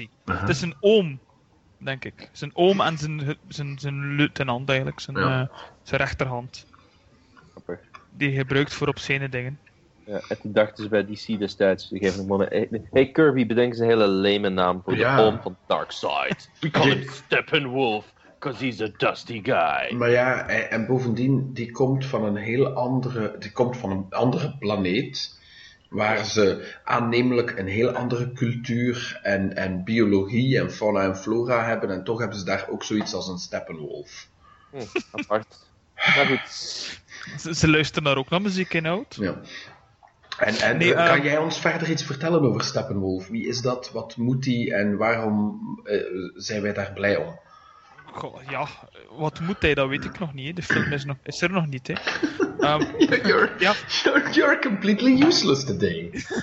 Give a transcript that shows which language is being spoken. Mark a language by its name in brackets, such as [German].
[Dutch] Ja. Uh-huh. Het is een oom. Denk ik. Zijn oom en zijn lieutenant eigenlijk. Zijn rechterhand. Grappig. Die hij gebruikt voor obscene dingen. Ja, en toen dachten ze bij DC destijds. Die geven hem gewoon hey Kirby, bedenk eens een hele lame naam voor de oom van Darkseid. [English] We call him Steppenwolf, because he's a dusty guy. [Dutch] Maar ja, en bovendien, die komt van een heel andere. Die komt van een andere planeet. Waar ze aannemelijk een heel andere cultuur en biologie en fauna en flora hebben. En toch hebben ze daar ook zoiets als een Steppenwolf. Apart. Maar goed. Ze luisteren daar ook naar muziek in, oud. Ja. En kan jij ons verder iets vertellen over Steppenwolf? Wie is dat? Wat moet die? En waarom zijn wij daar blij om? Goh, ja, wat moet hij? Dat weet ik nog niet. De film is er nog niet, hè. [English] You're completely useless today.